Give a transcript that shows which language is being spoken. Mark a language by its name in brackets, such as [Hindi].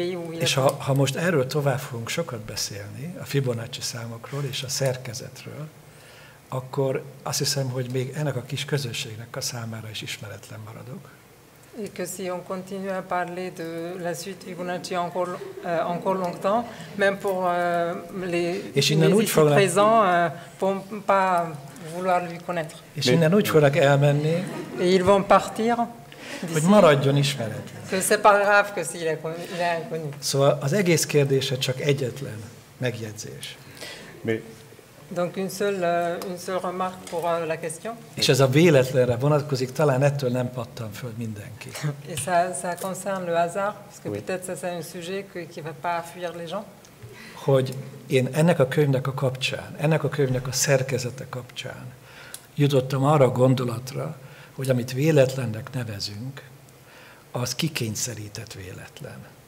[Hungarian] És ha most erről tovább fogunk sokat beszélni, a Fibonacci számokról és a szerkezetről, akkor azt hiszem, hogy még ennek a kis közösségnek a számára is ismeretlen maradok. [French] et que si on continue à parler de la suite Fibonacci encore, encore longtemps, même pour les ici présents, pour ne pas vouloir lui connaître. [Hungarian] És innen úgy fognak elmenni, [French] et ils vont partir, [Hungarian] hogy maradjon ismeretlen. [French] Que c'est pas grave que s'il est inconnu. [Hungarian] Szóval az egész kérdése csak egyetlen megjegyzés. [French] Mais... Donc une seule remarque pour la question. [Hungarian] És ez a véletlenre vonatkozik, talán ettől nem pattan föl mindenki. [French] Et ça, ça concerne le hasard, parce que oui. Peut-être ça c'est un sujet que, qui ne va pas fuir les gens. [Hungarian] Hogy én ennek a könyvnek a kapcsán, ennek a könyvnek a szerkezete kapcsán jutottam arra a gondolatra, hogy amit véletlennek nevezünk, az kikényszerített véletlen.